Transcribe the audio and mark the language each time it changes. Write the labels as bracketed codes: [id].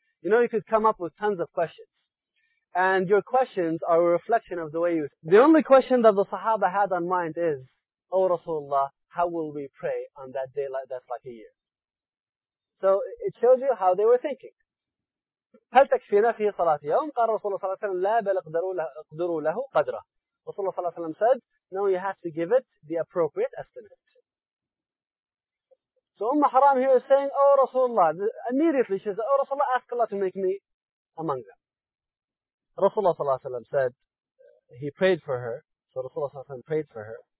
[en] You know, you could come up with tons of questions. And your questions are a reflection of the way you... The only question that the Sahaba had on mind is, O Rasulullah, how will we pray on that day that's like a year? So it shows you how they were thinking. [ar] هل تكفينا في صلاة يوم؟ قال رسول الله صلى الله عليه وسلم لا بل اقدروا له قدره. رسول الله صلى الله عليه وسلم [en] said, no, you have to give it the appropriate estimate. So Umm Haram here is saying, oh Rasulullah, immediately she says, oh Rasulullah, ask Allah to make me among them. Rasulullah [ar] صلى الله عليه وسلم [en] said, he prayed for her. So Rasulullah صلى الله عليه وسلم prayed for her.